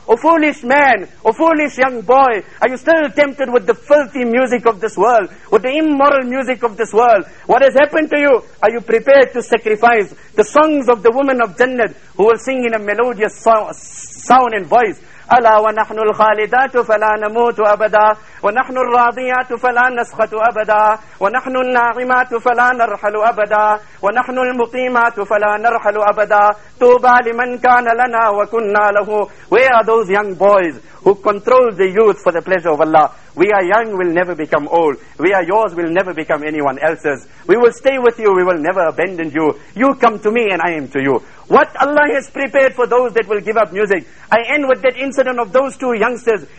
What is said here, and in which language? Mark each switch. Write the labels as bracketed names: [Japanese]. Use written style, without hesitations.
[English] O foolish man, O foolish young boy, are you still tempted with the filthy music of this world, with the immoral music of this world? What has happened to you? Are you prepared to sacrifice the songs of the woman of Jannat, who will sing in a melodious sound and voice? [Arabic] ألا ونحن الخالدات فلا نموت أبدا ونحن الراضيات فلا نسخط أبدا ونحن الناعمات فلا نرحل أبدا ونحن المقيمات فلا نرحل أبدا طوبى لمن كان لنا وكنا له. [English] Where are those young boys who control the youth for the pleasure of Allah? We are young, we'll never become old. We are yours, we'll never become anyone else's. We will stay with you, we will never abandon you. You come to me and I am to you. What Allah has prepared for those that will give up music. I end with that incident of those two youngsters.